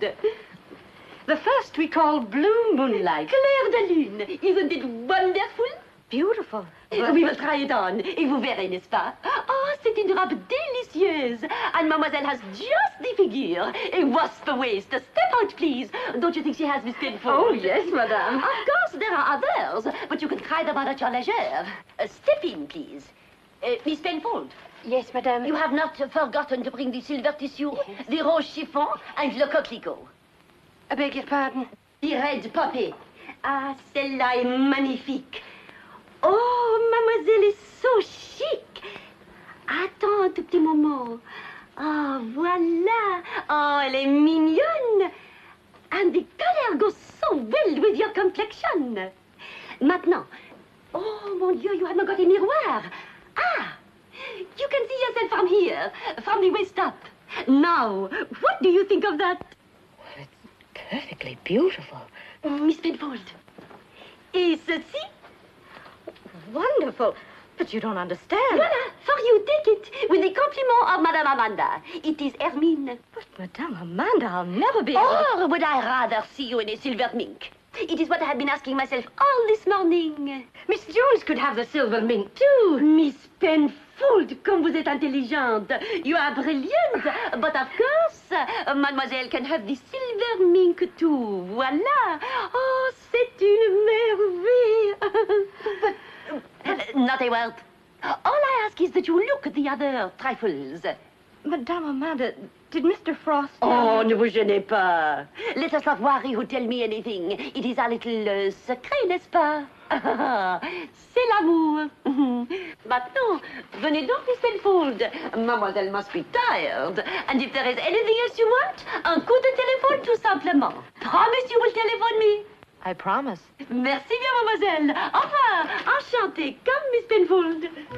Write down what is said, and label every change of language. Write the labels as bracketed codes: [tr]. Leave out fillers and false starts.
[en] The first we call Blue Moonlight. Claire de Lune. Isn't it wonderful? Beautiful. But... We will try it on. [fr] Et vous verrez, n'est-ce pas? Oh, c'est une robe délicieuse. [en] And mademoiselle has just the figure. Et what's the waist? Step out, please. Don't you think she has Miss Penfold? Oh, yes, madame. Of course, there are others. But you can try them on at your leisure. Step in, please. Miss Penfold. Yes, madame. You have not forgotten to bring the silver tissue, yes. The rose chiffon, and [fr] le coquelicot. [en] I beg your pardon? The red poppy. [fr] Ah, celle-là est magnifique. [en] Oh, mademoiselle is so chic. [fr] Attends un tout petit moment. Oh, voilà. Oh, elle est mignonne. [en] And the color goes so well with your complexion. Maintenant. [fr] Oh, mon Dieu, [en] you have not got a miroir. Ah, you can see yourself from here, from the waist up. Now, what do you think of that? Perfectly beautiful. Miss Penfold, is it see? Wonderful, but you don't understand. Voilà, for you, take it, with the compliment of Madame Amanda. It is Hermine. But Madame Amanda, I'll never be... Or would I rather see you in a silver mink? It is what I have been asking myself all this morning. Miss Jones could have the silver mink, too. [fr] Miss Penfold, comme vous êtes intelligente. [en] You are brilliant. But of course, mademoiselle can have the silver mink, too. [fr] Voilà. Oh, c'est une merveille. [en] But not a word. All I ask is that you look at the other trifles. Madame Amanda, did Mr. Frost... [fr] Oh, ne vous gênez pas. [en] Let us not worry who tell me anything. It is a little secret, [fr] n'est-ce pas? C'est l'amour. Maintenant, venez donc, Miss Penfold. [en] Mademoiselle must be tired. And if there is anything else you want, [fr] un coup de téléphone, tout simplement. [en] Promise you will telephone me. I promise. [fr] Merci bien, mademoiselle. Au revoir. Enchantée, comme Miss Penfold.